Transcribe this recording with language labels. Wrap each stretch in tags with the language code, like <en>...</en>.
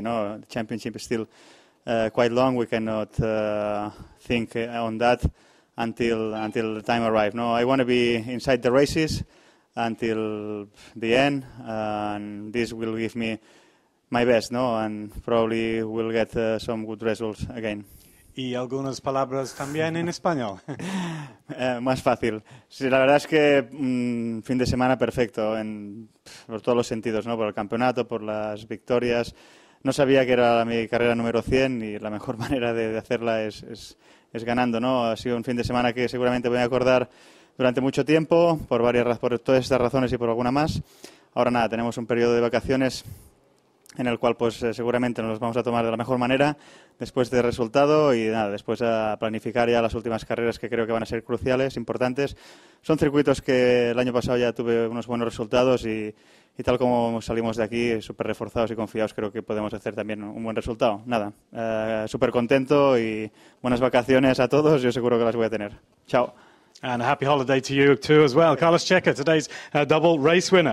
<en>No, the championship is still quite long. We cannot think on that until the time arrives. No, I want to be inside the races until the end, and this will give me my best. No, and probably we'll get some good results again.</en> <es>Y algunas palabras también en español. Más fácil. Sí, la verdad es que fin de semana perfecto en por todos los sentidos, ¿no? Por el campeonato, por las victorias. No sabía que era mi carrera número 100 y la mejor manera de hacerla es ganando, ¿no? Ha sido un fin de semana que seguramente voy a acordar durante mucho tiempo por todas estas razones y por alguna más. Ahora nada, tenemos un periodo de vacaciones en el cual pues seguramente nos vamos a tomar de la mejor manera después del resultado y nada, después a planificar ya las últimas carreras que creo que van a ser cruciales, importantes. Son circuitos que el año pasado ya tuve unos buenos resultados y tal como salimos de aquí, súper reforzados y confiados, creo que podemos hacer también un buen resultado. Nada, súper contento y buenas vacaciones a todos, yo seguro que las voy a tener. Chao.</es> <en>And a happy holiday to you too as well. Carlos Checa, today's double race winner.</en>